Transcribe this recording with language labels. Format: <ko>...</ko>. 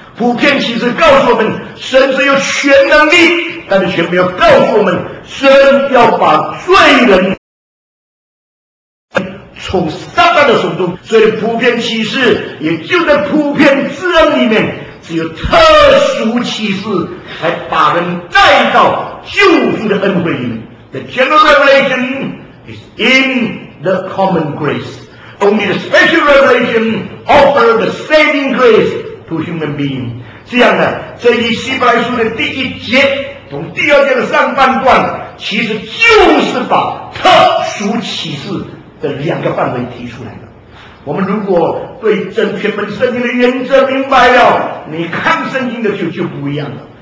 <zh>普遍启示告诉我们神是有全能力，但是却没有告诉我们神要把罪人从撒旦的手中。所以普遍启示也就在普遍之恩里面，只有特殊启示才把人带到救赎的恩惠里面。</zh> <en>The general revelation is in the common grace. Only the special revelation offers the saving grace to human beings.</en> <zh>这样呢，这一希伯来书的第一节从第二节的上半段，其实就是把特殊启示的两个范围提出来了。我们如果对整篇本圣经的原则明白了，你看圣经的时候就不一样了。</zh>